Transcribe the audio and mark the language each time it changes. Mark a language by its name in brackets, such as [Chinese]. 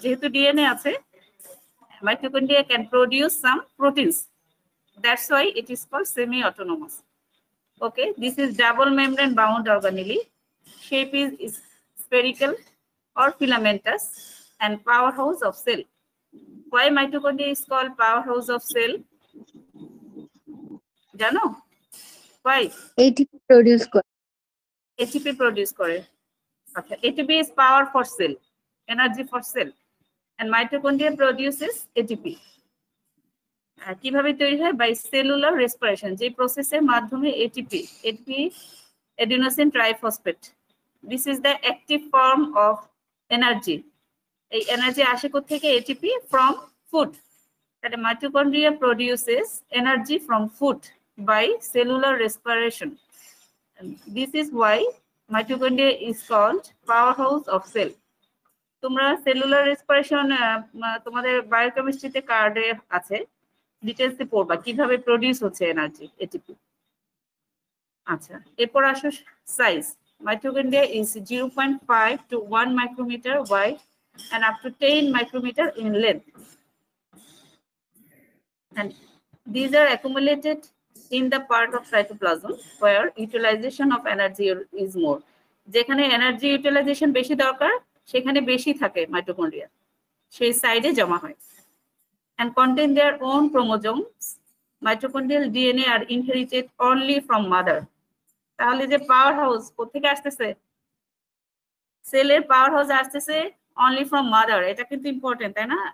[Bangla] যেহেতু ডিএনএ আছে, [English] Mitochondria can produce some proteins, that's why it is call semi autonomous. Okay, this is double membrane bound organelle, shape is spherical or filamentous and power house of cell. Why mitochondria is called powerhouse of cell? [Bangla] Jano? [English] Why? [Bangla] ATP produce kore. ATP produce kore. Okay. [English] ATP is power for cell, energy for cell. And mitochondria produces ATP. [Bangla] কিভাবে তৈরি হয়? [English] by cellular respiration, [Bangla] যে প্রসেসের মাধ্যমে [English] ATP, ATP adenosine triphosphate, this is the active form of energy. [Bangla] এই energy আসে কোথেকে? [English] ATP from food. তাহলে mitochondria produces energy from food by cellular respiration. This is why mitochondria is called power house of cell. [Bangla] তোমরা cellular respiration তোমাদের বায়োকেমিস্ট্রিতে কার্ডে আছে, ডিটেলসে পড়বা কিভাবে প্রোডিউস হচ্ছে এনার্জি এটিপি। আচ্ছা, এরপর আসো size. [English] Mitochondria is 0.5 to 1 micrometer wide and up to 10 micrometer in length. And these are accumulated in the part of cytoplasm where utilization of energy is more. [Bangla] যেখানে energy utilization বেশি দরকার সেখানে বেশি থাকে mitochondria, সেই সাইডে জমা হয়। [English] And contain their own chromosomes, mitochondrial DNA আর inherited only from mother. [Bangla] তাহলে যে পাওয়ার হাউস কোথেকে আসতেছে, সেলের পাওয়ার হাউস আসতেছে অনলি ফ্রম মাদার, এটা কিন্তু ইম্পর্টেন্ট, তাই না?